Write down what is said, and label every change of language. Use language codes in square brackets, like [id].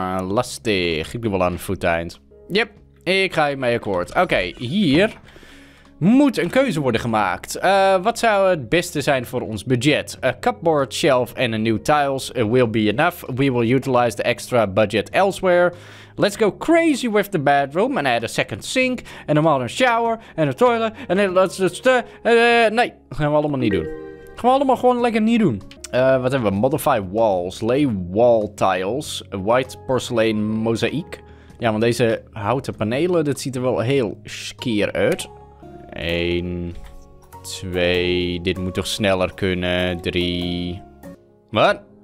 [nl] Lastig. Ik doe wel aan het voeteneind. [en] Yep. [nl] Ik ga hiermee akkoord. Oké, hier moet een keuze worden gemaakt. Wat zou het beste zijn voor ons budget? [en] A cupboard shelf and a new tiles will be enough. We will utilize the extra budget elsewhere. Let's go crazy with the bedroom and add a second sink and a modern shower and a toilet. En let's just... [nl] nee, gaan we allemaal niet doen. Gaan we allemaal gewoon lekker niet doen. Wat hebben we? [en] Modify walls. Lay wall tiles. A white porcelain mosaïek. [nl] Ja, want deze houten panelen, dat ziet er wel heel skeer uit. 1, 2, dit moet toch sneller kunnen. 3. Wat?